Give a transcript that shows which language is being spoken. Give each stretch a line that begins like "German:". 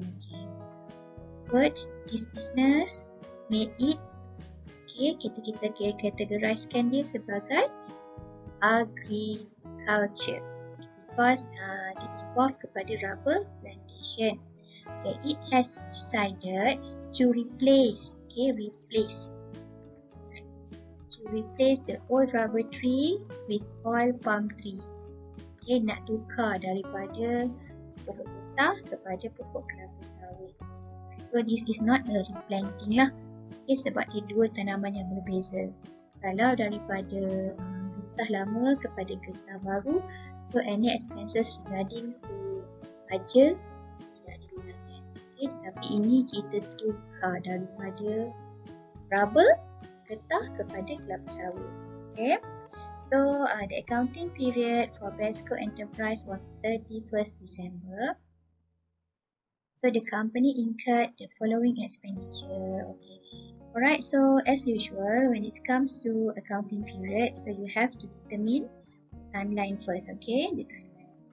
English: Okay. Expert, this business, made it, okay,
Malay: kita kategorikan dia sebagai
English: agriculture because it involved kepada rubber plantation. Okay, it has decided to replace, okay, replace the old rubber tree with oil palm tree.
Malay: Okay, nak tukar daripada pokok utah kepada pokok kelapa sawit.
English: So this is not a replanting lah, okay,
Malay: sebab dia dua tanaman yang berbeza. Kalau daripada getah lama kepada getah baru,
English: so any expenses regarding to
Malay: baja tidak digunakan, okay. Tapi ini kita tukar daripada rubber getah kepada kelapa sawit, okay.
English: So the accounting period for Basco Enterprise was 31st December. So the company incurred the following expenditure. Okay. Alright, so as usual, when it comes to accounting period, so you have to determine timeline first, okay? The timeline.